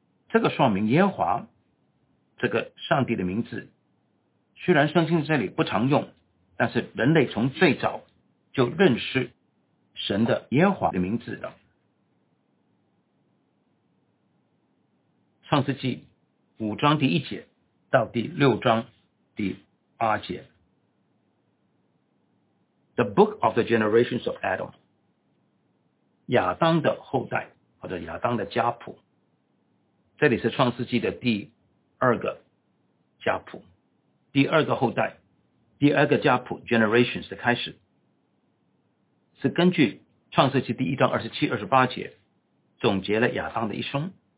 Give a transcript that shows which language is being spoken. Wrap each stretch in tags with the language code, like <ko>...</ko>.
<zh>这个说明耶和华这个上帝的名字虽然圣经这里不常用，但是人类从最早就认识神的耶和华的名字了。创世纪五章第一节到第六章第八节。</zh> <en>The book of the generations of Adam.</en> <zh>亚当的后代或者亚当的家谱。这里是创世纪的第二个家谱。第二个后代，第二个家谱 generations 的开始，是根据创世纪第一章27-28节总结了亚当的一生。</zh>